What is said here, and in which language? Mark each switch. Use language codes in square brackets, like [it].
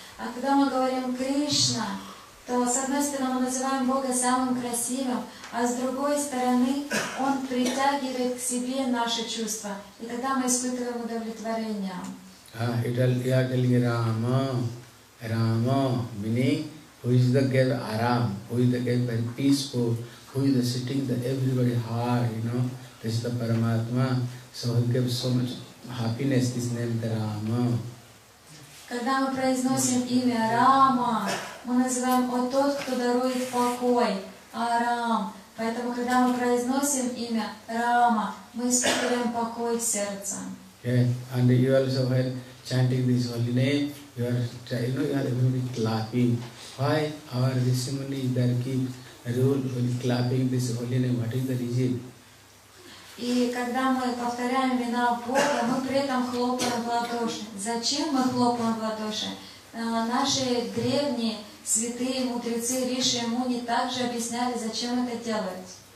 [ru] А когда мы говорим Кришна, то с одной стороны мы называем Бога самым красивым, а с другой стороны Он притягивает к себе наши чувства, и тогда мы испытываем удовлетворение. Я говорю [en] Рама, Рама, meaning who is the god Aram, who is the god very peaceful, who is the sitting the everybody heart, you know, this is the Paramatma, so he gives so much happiness, this name the Рама. [ru] Когда мы произносим имя Рама, мы называем «О тот, кто дарует покой», Арам. Поэтому, когда мы произносим имя Рама, мы испытываем покой в сердце. [en] Yeah, and you also when chanting this holy name, you are really clapping. Why our Rishimuni is there keep rule when clapping this holy name? What is the reason? [ru] И когда мы повторяем имена Бога, мы при этом хлопаем в ладоши. Зачем мы хлопаем в ладоши? Наши древние святые мудрецы Риши и Муни также объясняли, зачем это делать.